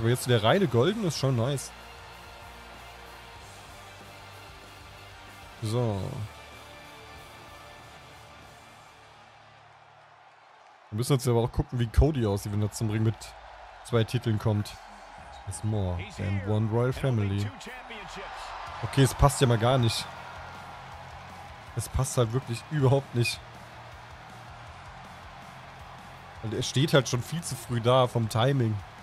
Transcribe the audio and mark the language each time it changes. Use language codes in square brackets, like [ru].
[de] Aber jetzt der reine Golden ist schon nice. So. Wir müssen jetzt aber auch gucken, wie Cody aussieht, wenn er zum Ring mit 2 Titeln kommt. [en] There's more than one Royal Family. [de] Okay, es passt ja mal gar nicht. Es passt halt wirklich überhaupt nicht. Er steht halt schon viel zu früh da vom Timing.